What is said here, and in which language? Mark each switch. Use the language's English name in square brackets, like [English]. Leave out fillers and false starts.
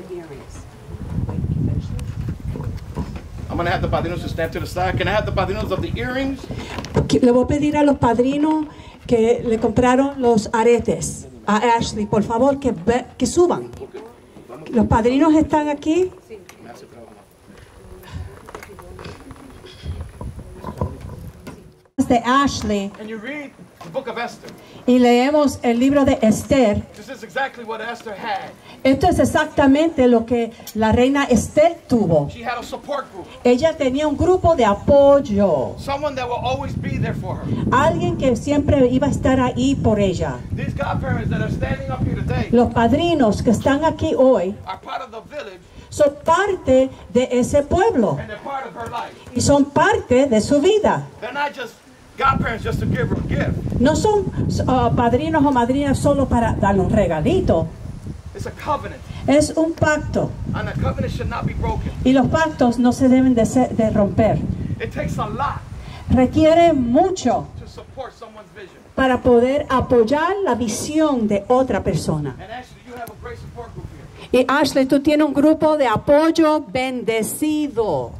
[English] I'm going to have the padrinos to stand to the side. Can I have the padrinos of the earrings? [Spanish] Le voy a pedir a los padrinos que le compraron los aretes a Ashley, por favor, que suban. Los padrinos están aquí. De Ashley. [English] And you read the book of Esther. [Spanish] Y leemos el libro de Esther. [English] This is exactly what Esther had. [Spanish] Esto es exactamente lo que la reina Esther tuvo. [English] She had a support group. [Spanish] Ella tenía un grupo de apoyo. [English] Someone that will always be there for her. [Spanish] Alguien que siempre iba a estar ahí por ella. [English] These godparents that are standing up here today. [Spanish] Los padrinos que están aquí hoy. [English] Are part of the village. [Spanish] Son parte de ese pueblo. [English] And they're part of her life. [Spanish] Y son parte de su vida. [English] They're not just godparents just to give her a gift. [Spanish] No son padrinos o madrinas solo para darle un regalito. [English] It's a covenant. [Spanish] Es un pacto. [English] And a covenant should not be broken. [Spanish] Y los pactos no se deben de romper. [English] It takes a lot. [Spanish] Requiere mucho [English] to support someone's vision. [Spanish] Para poder apoyar la visión de otra persona. [English] And Ashley, you have a great support group here. [Spanish] Y Ashley, tú tienes un grupo de apoyo bendecido.